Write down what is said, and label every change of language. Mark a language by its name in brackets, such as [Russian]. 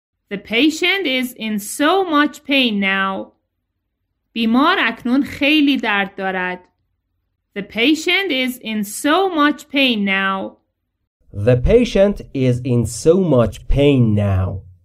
[English] The patient is in so much pain now. [Persian] بیمار اکنون خیلی درد دارد. [English] The patient is in so much pain now. The patient is in so much pain now.